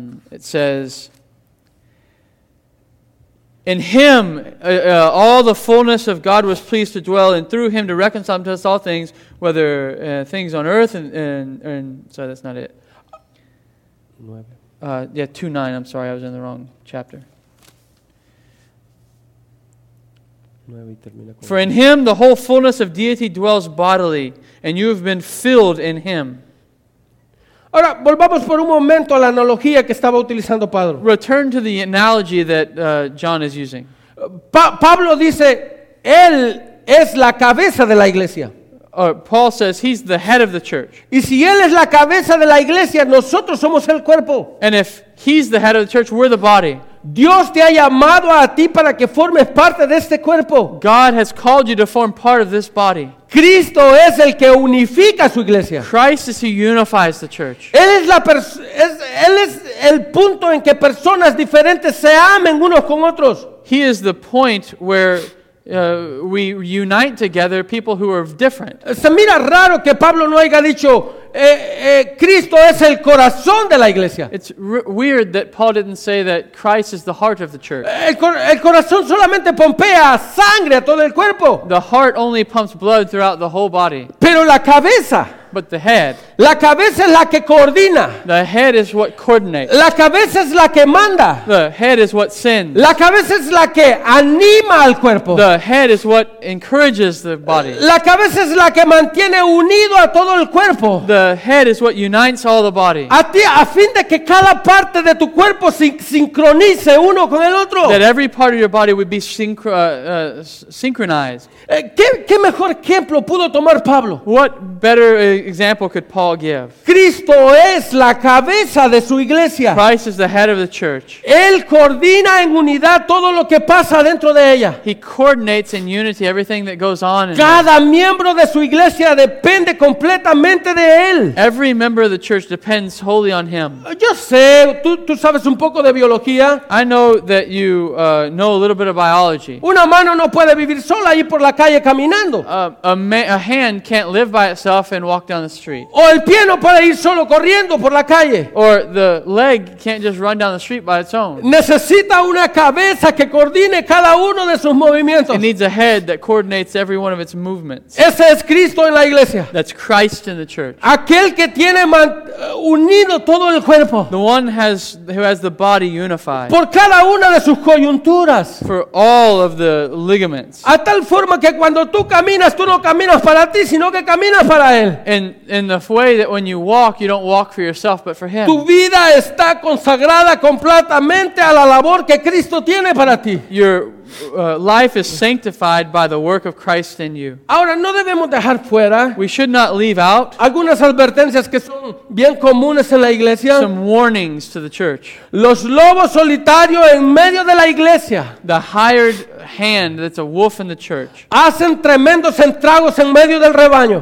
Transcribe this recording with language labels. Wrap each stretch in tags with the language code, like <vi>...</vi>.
<en>It says, in him all the fullness of God was pleased to dwell, and through him to reconcile to us all things, whether things on earth and sorry, that's not it. 2:9. I'm sorry, I was in the wrong chapter. For in him the whole fullness of deity dwells bodily, and you have been filled in him.</en> <es>Ahora, volvamos por un momento a la analogía que estaba utilizando Pablo.</es> <en>Return to the analogy that John is using.</en> <es>Pablo dice, él es la cabeza de la iglesia.</es> <en>Paul says he's the head of the church.</en> <es>Y si él es la cabeza de la iglesia, nosotros somos el cuerpo.</es> <en>And if he's the head of the church, we're the body.</en> <es>Dios te ha llamado a ti para que formes parte de este cuerpo.</es> <en>God has called you to form part of this body.</en> <es>Cristo es el que unifica su iglesia.</es> <en>Christ is who unifies the church.</en> <es>Él es el punto en que personas diferentes se amen unos con otros.</es> <en>He is the point where we unite together people who are different.</en> <es>Se mira raro que Pablo no haya dicho Cristo es el corazón de la iglesia.</es> <en>It's weird that Paul didn't say that Christ is the heart of the church.</en> <es>El corazón solamente pompea sangre a todo el cuerpo.</es> <en>The heart only pumps blood throughout the whole body.</en> <es>Pero la cabeza.</es> <en>but the head.</en> <es>La cabeza es la que coordina.</es> <en>The head is what coordinates.</en> <es>La cabeza es la que manda.</es> <en>The head is what sends.</en> <es>La cabeza es la que anima al cuerpo.</es> <en>The head is what encourages the body.</en> <es>La cabeza es la que mantiene unido a todo el cuerpo.</es> <en>The head is what unites all the body.</en> <es>A ti, a fin de que cada parte de tu cuerpo sincronice uno con el otro.</es> <en>That every part of your body would be synchronized.</en> <es>¿Qué mejor ejemplo pudo tomar Pablo?</es> <en>What better example could Paul give?</en> <es>Cristo es la cabeza de su iglesia.</es> <en>Christ is the head of the church.</en> <es>Él coordina en unidad todo lo que pasa dentro de ella.</es> <en>He coordinates in unity everything that goes on.</en> <es>Cada miembro de su iglesia depende completamente de él.</es> <en>Every member of the church depends wholly on him.</en> <es>Yo sé, tú sabes un poco de biología.</es> <en>I know that you know a little bit of biology.</en> <es>Una mano no puede vivir sola ahí por la calle caminando.</es> <en>A hand can't live by itself and walk down the street.</en> <es>O el pie no puede ir solo corriendo por la calle.</es> <en>Or the leg can't just run down the street by its own.</en> <es>Necesita una cabeza que coordine cada uno de sus movimientos.</es> <en>It needs a head that coordinates every one of its movements.</en> <es>Ese es Cristo en la iglesia.</es> <en>That's Christ in the church.</en> <es>Aquel que tiene unido todo el cuerpo.</es> <en>The one who has the body unified.</en> <es>Por cada una de sus coyunturas.</es> <en>For all of the ligaments.</en> <es>A tal forma que cuando tú caminas, tú no caminas para ti, sino que caminas para él.</es> <en>In the way that when you walk, you don't walk for yourself, but for him.</en> <es>Tu vida está consagrada completamente a la labor que Cristo tiene para ti.</es> <en>Life is sanctified by the work of Christ in you.</en> <es>Ahora, no debemos dejar fuera.</es> <en>We should not leave out</en> <es>algunas advertencias que son bien comunes en la iglesia.</es> <en>Some warnings to the church.</en> <es>Los lobos solitarios en medio de la iglesia.</es> <en>The hired hand that's a wolf in the church.</en> <es>Hacen tremendos estragos en medio del rebaño.</es>